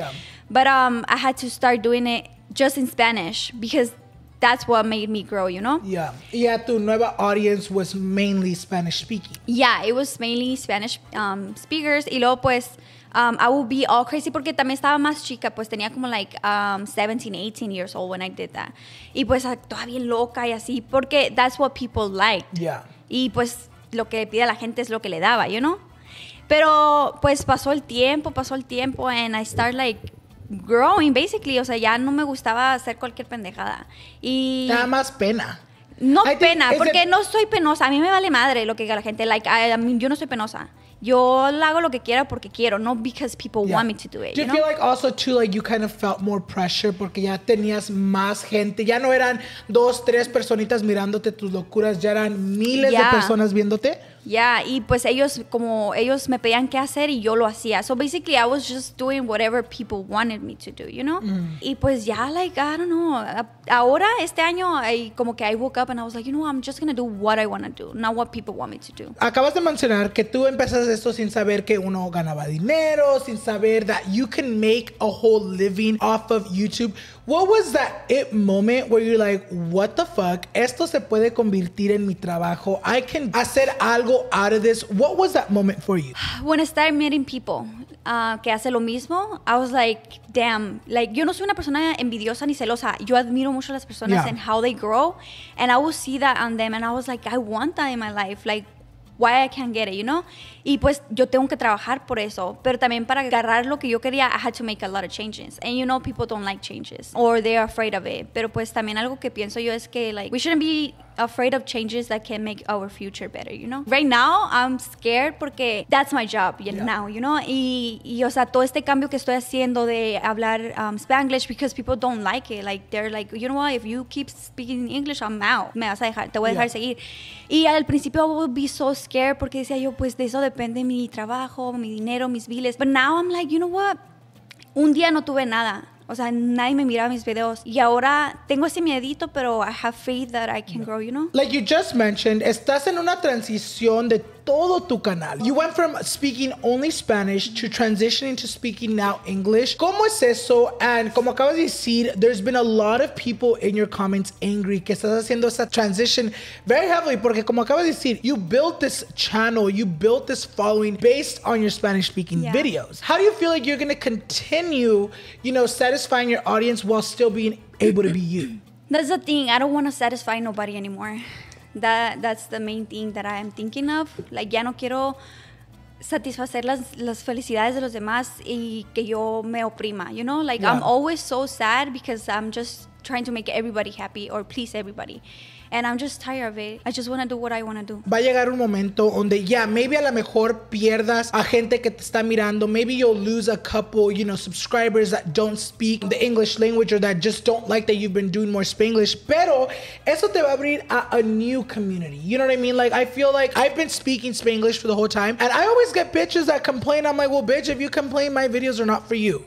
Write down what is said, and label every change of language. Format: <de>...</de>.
<en>Yeah. But I had to start doing it just in Spanish because that's what made me grow, you know? Yeah. Yeah,</en> <es>tu nueva</es> <en>audience was mainly Spanish speaking. Yeah, it was mainly Spanish speakers.</en> <es>Y luego pues</es> <en>I would be all crazy</en> <es>porque también estaba más chica, pues tenía como</es> <en>like 17, 18 years old when I did that.</en> <es>Y pues toda bien loca y así porque</es> <en>that's what people liked. Yeah.</en> <es>Y pues lo que pide a la gente es lo que le daba, you know? Pero pues pasó el tiempo</es> <en>and I start like growing basically,</en> <es>o sea, ya no me gustaba hacer cualquier pendejada. Y nada más pena. No I pena, think, porque it, no soy penosa, a mí me vale madre lo que diga la gente, like I yo no soy penosa. Yo hago lo que quiera porque quiero, no</es> <en>because people want me to do it. Do you feel like also too like you kind of felt more pressure</en> <es>porque ya tenías más gente, ya no eran dos, tres personitas mirándote tus locuras, ya eran miles de personas viéndote? Yeah, y pues ellos como ellos me pedían qué hacer y yo lo hacía.</es> <en>So basically I was just doing whatever people wanted me to do, you know?</en> <es>Y pues ya</es> <en>like I don't know,</en> <es>ahora este año como que</es> <en>I woke up and I was like, you know, I'm just going to do what I want to do, not what people want me to do.</en> <es>Acabas de mencionar que tú empezas esto sin saber que uno ganaba dinero, sin saber</es> <en>that you can make a whole living off of YouTube. What was that it moment where you're like, what the fuck?</en> <es>Esto se puede convertir en mi trabajo.</es> <en>I can</en> <es>hacer algo</es> <en>out of this. What was that moment for you? When I started meeting people</en> <es>que hace lo mismo,</es> <en>I was like, damn.</en> <es>Like, yo no soy una persona envidiosa ni celosa. Yo admiro mucho a las personas</es> <en>and how they grow. And I would see that on them. And I was like, I want that in my life. Like, why I can't get it, you know?</en> <es>Y pues yo tengo que trabajar por eso. Pero también para agarrar lo que yo quería,</es> <en>I had to make a lot of changes. And you know, people don't like changes. Or they're afraid of it.</en> <es>Pero pues también algo que pienso yo es que,</es> <en>like, we shouldn't be afraid of changes that can make our future better, you know? Right now, I'm scared porque that's my job, now, you know?</en> <es>Y, o sea, todo este cambio que estoy haciendo de hablar Spanglish</es> <en>because people don't like it. Like, they're like, you know what? If you keep speaking English, I'm out.</en> <es>Me vas a dejar, te voy a dejar seguir. Y al principio,</es> <en>I would be so scared</en> <es>porque decía yo, pues, de eso depende mi trabajo, mi dinero, mis biles.</es> <en>But now, I'm like, you know what?</en> <es>Un día no tuve nada. O sea, nadie me miraba mis videos. Y ahora tengo ese miedito, pero</es> <en>I have faith that I can grow, you know? Like you just mentioned,</en> <es>estás en una transición de todo tu canal.</es> <en>You went from speaking only Spanish to transitioning to speaking now English.</en> <es>¿Cómo es eso?</es> <en>And</en> <es>como acabas de decir,</es> <en>there's been a lot of people in your comments angry</en> <es>que estás haciendo esa</es> <en>transition very heavily</en> <es>porque como acabas de decir,</es> <en>you built this channel, you built this following based on your Spanish speaking videos. How do you feel like you're going to continue, you know, satisfying your audience while still being able to be you? That's the thing. I don't want to satisfy nobody anymore. That's the main thing that I am thinking of.</en> <es>Like, ya no quiero satisfacer las felicidades de los demás y que yo me oprima, you know?</es> <en>Like, I'm always so sad because I'm just trying to make everybody happy or please everybody. And I'm just tired of it. I just want to do what I want to do.</en> <es>Va a llegar un momento donde, maybe a lo mejor pierdas a gente que te está mirando.</es> <en>Maybe you'll lose a couple, you know, subscribers that don't speak the English language or that just don't like that you've been doing more Spanglish.</en> <es>Pero eso te va a abrir a</es> <en>new community. You know what I mean? Like, I feel like I've been speaking Spanglish for the whole time. And I always get bitches that complain. I'm like, well, bitch, if you complain, my videos are not for you.</en>